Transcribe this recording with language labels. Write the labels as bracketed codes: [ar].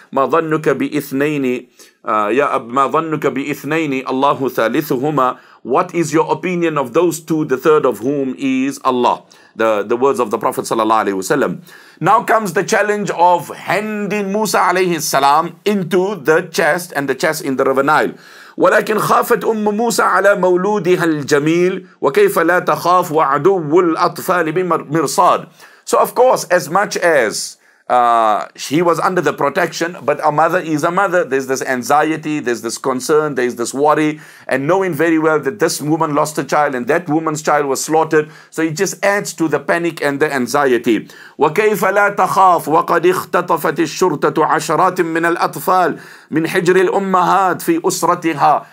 [ar] مَا ظَنُّكَ بِإِثْنَيْنِ يَا مَا ظَنُّكَ بِإِثْنَيْنِ اللَّهُ ثَالِثُهُمَا. [en] What is your opinion of those two, the third of whom is Allah? The words of the Prophet sallallahu alayhi wasalam. Now comes the challenge of handing Musa alayhi salam into the chest, and the chest in the River Nile. [ar] ولكن خافت أم موسى على مولودها الجميل وكيف لا تخاف وعدو الأطفال بمرصاد. [en] So of course, as much as She was under the protection, but a mother is a mother. There's this anxiety, there's this concern, there's this worry, and knowing very well that this woman lost a child and that woman's child was slaughtered, so it just adds to the panic and the anxiety. [ar] وَكَيْفَ لَا تَخَافْ وَقَدْ اخْتَطَفَتِ الشُّرْطَةُ عَشَرَاتٍ مِّنَ الْأَطْفَالِ مِنْ حِجْرِ الْأُمَّهَاتِ فِي أُسْرَتِهَا.